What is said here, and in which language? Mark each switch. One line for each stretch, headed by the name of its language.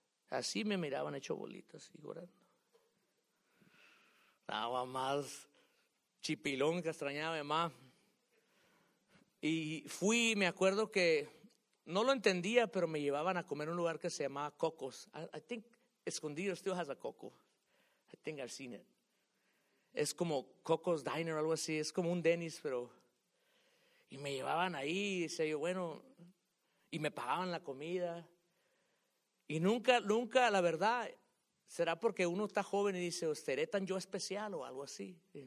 Spanish: Así me miraban hecho bolitas y llorando. Nada más chipilón que extrañaba de más. Y fui, me acuerdo que no lo entendía, pero me llevaban a comer un lugar que se llamaba Cocos.
English: I think escondido still has a Coco. I think I've seen it.
Spanish: Es como Coco's Diner, algo así. Es como un Denny's, pero. Y me llevaban ahí, y decía yo, bueno. Y me pagaban la comida. Y nunca, nunca, la verdad, será porque uno está joven y dice, ¿seré tan yo especial o algo así?